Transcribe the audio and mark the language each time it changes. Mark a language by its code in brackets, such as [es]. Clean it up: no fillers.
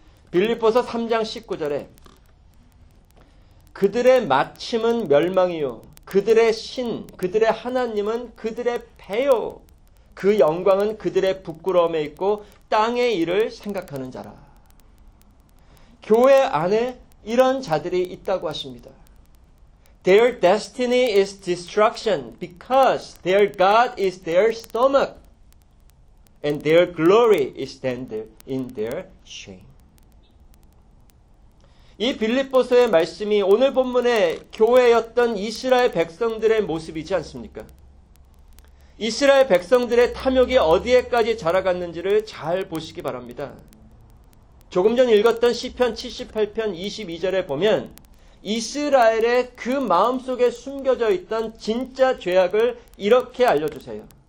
[ko] 빌립보서 3장 19절에 그들의 마침은 멸망이요 그들의 신, 그들의 하나님은 그들의 배요 그 영광은 그들의 부끄러움에 있고 땅의 일을 생각하는 자라. 교회 안에 이런 자들이 있다고 하십니다. [en] Their destiny is destruction because their God is their stomach and their glory is in their shame. [ko] 이 빌립보서의 말씀이 오늘 본문의 교회였던 이스라엘 백성들의 모습이지 않습니까? 이스라엘 백성들의 탐욕이 어디에까지 자라갔는지를 잘 보시기 바랍니다. 조금 전 읽었던 시편 78편 22절에 보면 이스라엘의 그 마음속에 숨겨져 있던 진짜 죄악을 이렇게 알려주세요.